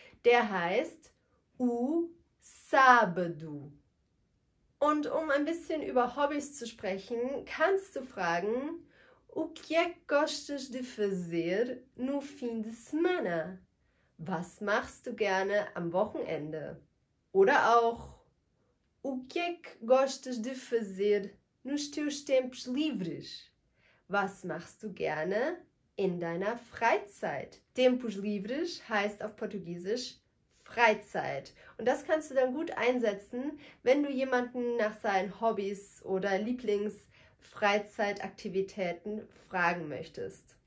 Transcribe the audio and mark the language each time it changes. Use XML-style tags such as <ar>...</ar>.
<de>Der heißt o sábado. Und um ein bisschen über Hobbys zu sprechen, kannst du fragen,</de> <pt>o que é que gostas de fazer no fim de semana?</pt> <de>Was machst du gerne am Wochenende? Oder auch,</de> <pt>o que é que gostas de fazer nos teus tempos livres?</pt> <de>Was machst du gerne in deiner Freizeit?</de> <pt>Tempos livres</pt> <de>heißt auf Portugiesisch Freizeit. Und das kannst du dann gut einsetzen, wenn du jemanden nach seinen Hobbys oder Lieblings-Freizeitaktivitäten fragen möchtest.</de>